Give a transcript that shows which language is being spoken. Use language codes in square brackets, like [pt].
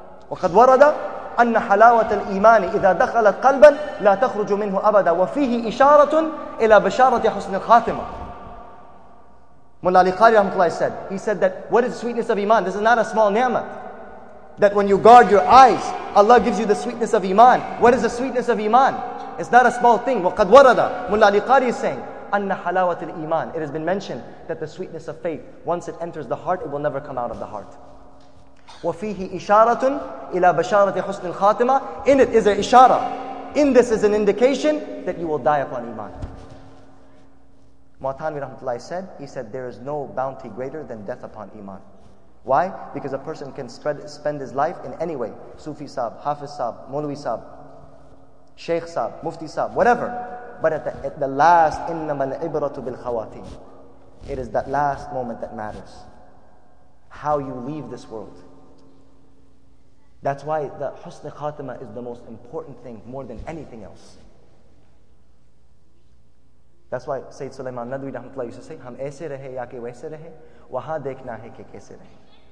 [ar] وَقَدْ وَرَدَ أن حلاوة الإيمان إذا دخلت قلبا لا تخرج منه أبدا وفيه إشارة إلى بشارة حسن الخاتمة. [en] Mullah Ali Qari rahmatullahi said, he said that what is the sweetness of Iman? This is not a small ni'mat. That when you guard your eyes, Allah gives you the sweetness of Iman. What is the sweetness of Iman? It's not a small thing. [ar] وَقَدْ وَرَدَ [en] Mullah Ali Qari is saying, [ar] أن حلاوة الإيمان. [en] It has been mentioned that the sweetness of faith, once it enters the heart, it will never come out of the heart. [ar] وَفِيهِ إِشَارَةٌ إِلَى بَشَارَةِ حُسْنِ الْخَاتِمَةِ. [en] In it is an ishara. In this is an indication that you will die upon iman. Mu'tanwi rahmatullahi said, he said, there is no bounty greater than death upon iman. Why? Because a person can spend his life in any way. [ur] صوفی صاحب، حافظ صاحب، مولوی صاحب، شیخ صاحب، مفتی صاحب، whatever. [en] But at the last, [ar] إِنَّمَا الْعِبْرَةُ بِالْخَوَاتِيمِ. [en] It is that last moment that matters. How you leave this world. That's why the husn khatima is the most important thing, more than anything else. That's why [ur] Syed Sulaiman Nadvi رحمۃ اللہ [en] used to say, [ur] "ہم ایسے رہے یا کہ ویسے رہے، وہاں دیکھنا ہے کہ کیسے رہے۔"